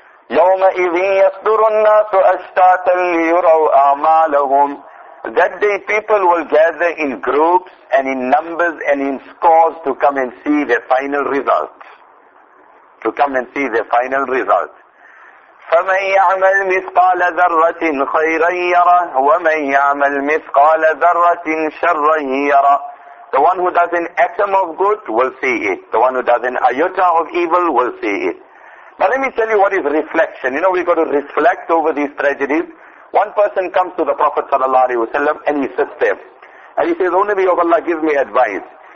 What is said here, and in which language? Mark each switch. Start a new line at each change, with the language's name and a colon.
Arabic: يَوْمَئِذٍ يَصْدُرُ النَّاسُ أَشْتَاتًا لِيُرَوْا أَعْمَالَهُمْ.
English: That day people will gather in groups and in numbers and in scores to come and see their final results. To come and see their final result.
Arabic: فمن يعمل مثقال ذرة خيرا يره ومن يعمل مثقال ذرة شرا يره.
English: The one who does an atom of good will see it. The one who does an iota of evil will see it. Now let me tell you what is reflection. You know, we've got to reflect over these tragedies. One person comes to the Prophet sallallahu alaihi wasallam and he sits there. And he says, O Nabi of Allah, give me advice.